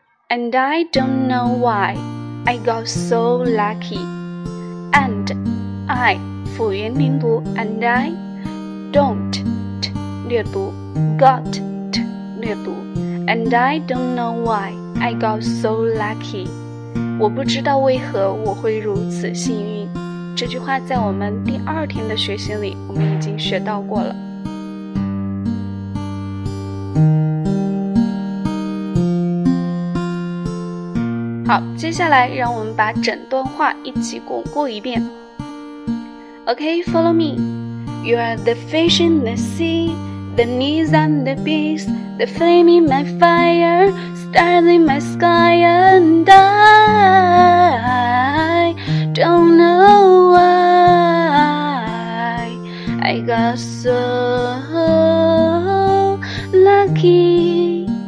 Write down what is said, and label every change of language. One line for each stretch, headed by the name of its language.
English: And I don't know why I got so lucky. And I,
Chinese: 辅元连读,
English: and I don't,
Chinese: 略读,
English: got, 略读, and I don't know why I got so lucky.
Chinese: 我不知道为何我会如此幸运。这句话在我们第二天的学习里我们已经学到过了。好，接下来让我们把整段话一起巩固一遍。
English: Okay, follow me. You are the fish in the sea, the knees on the bees, the flame in my fire, stars in my sky, and I don't know why I got so lucky.